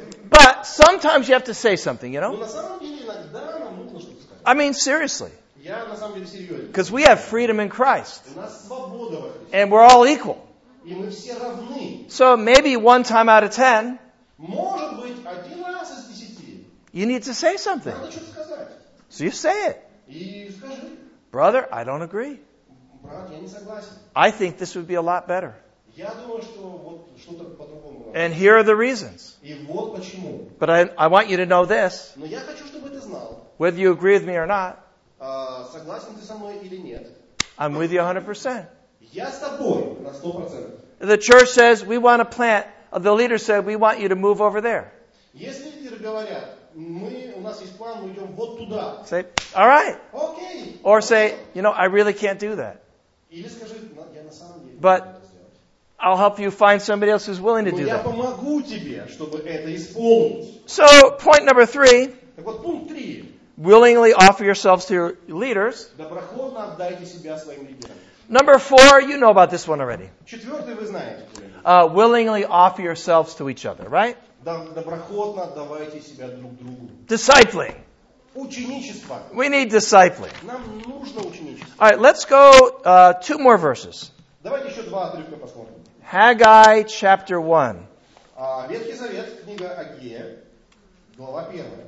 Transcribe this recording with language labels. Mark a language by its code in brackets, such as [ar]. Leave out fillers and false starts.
[en] but sometimes you have to say something, you know? [ru] На самом деле, иногда нам нужно что-то сказать. [en] I mean, seriously. [ru] Я на самом деле серьезно. [en] Because we have freedom in Christ. [ru] У нас свобода во Христе. [en] And we're all equal. [ru] И мы все равны. [en] So maybe one time out of ten, [ru] может быть, один раз из десяти, [en] you need to say something. [ru] Надо что-то сказать. [en] So you say it. [ru] И скажи. [en] Brother, I don't agree. [ru] Брат, я не согласен. [en] I think this would be a lot better. [ru] Я думаю, что вот что-то по-другому. [en] And here are the reasons. [ru] И вот почему. [en] But I want you to know this. [ru] Но я хочу, чтобы ты знал. [en] Whether you agree with me or not. [ru] Согласен ты со мной или нет. [en] I'm with you 100%. [ru] Я с тобой на 100%. [en] The church says we want to plant. The leader said we want you to move over there. [ru] Если лидеры говорят, у нас есть план, мы идем вот туда. [en] Say, all right. Okay. Or say, you know, I really can't do that. [ru] Или скажи, я на самом деле. [en] But I'll help you find somebody else who's willing to do that. [ru] Я помогу тебе, чтобы это исполнить. [en] So, point number three. [ru] Так вот, пункт три. [en] Willingly offer yourselves to your leaders. [ru] Доброхотно отдайте себя своим лидерам. [en] Number four, you know about this one already. [ru] Четвертый вы знаете. [en] Willingly offer yourselves to each other, right? [ru] Доброхотно отдавайте себя друг другу. [en] Discipling. [ru] Ученичество. [en] We need discipling. [ru] Нам нужно ученичество. [en] All right, let's go two more verses. [ru] Давайте еще два отрывка посмотрим. [en] Haggai chapter 1. [ru] Ветхий Завет, книга Агея, глава 1.